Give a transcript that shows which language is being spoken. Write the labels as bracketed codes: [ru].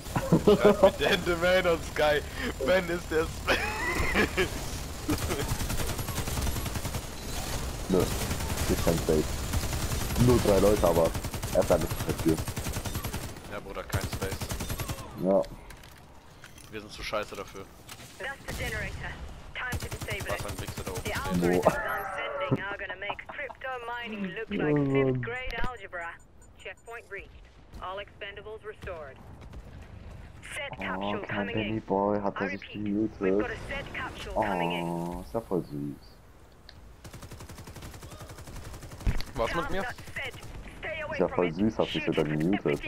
[de] Mit Enderman und Sky, wenn ist der Spe Nö, ist kein Space. Nur drei Leute, aber er hat nicht dafür. Ja, Bruder, kein Space. Ja. Wir sind zu scheiße dafür. [en] That's the generator. Time to disable it. [de] Was ein Wichser da oben. [en] The algorithms I'm sending are gonna make crypto mining look like fifth grade algebra. Checkpoint reached. All expendables restored. [de] Oh, kein Benny Boy, hat er sich gemutet. Oh, ist ja voll süß. Was mit mir? Ist ja voll süß, hat sich wieder gemutet.